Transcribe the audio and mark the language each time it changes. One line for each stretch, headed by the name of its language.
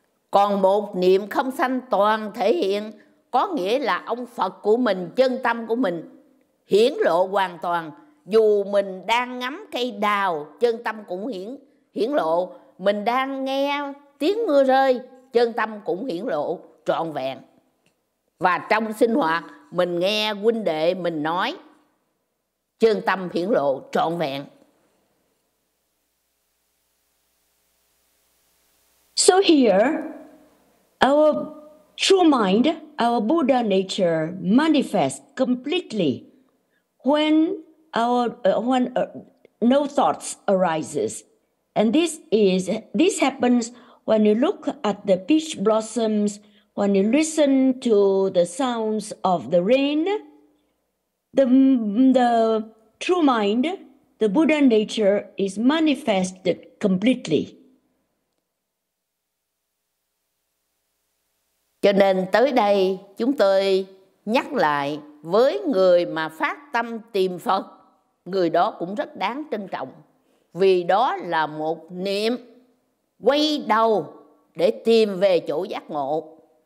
Vietnamese: Còn một niệm không sanh toàn thể hiện có nghĩa là ông Phật của mình, chân tâm của mình hiển lộ hoàn toàn, dù mình đang ngắm cây đào, chân tâm cũng hiển lộ, mình đang nghe tiếng mưa rơi, chân tâm cũng hiển lộ trọn vẹn. Và trong sinh hoạt, mình nghe huynh đệ mình nói, chân tâm hiển lộ trọn vẹn.
English: So here, our true mind, our Buddha nature manifests completely. When no thoughts arises, and this happens when you look at the peach blossoms, when you listen to the sounds of the rain, the true mind, the Buddha nature is manifested completely.
Vietnamese: Cho nên tới đây chúng tôi nhắc lại với người mà phát tâm tìm Phật, người đó cũng rất đáng trân trọng. Vì đó là một niệm quay đầu để tìm về chỗ giác ngộ.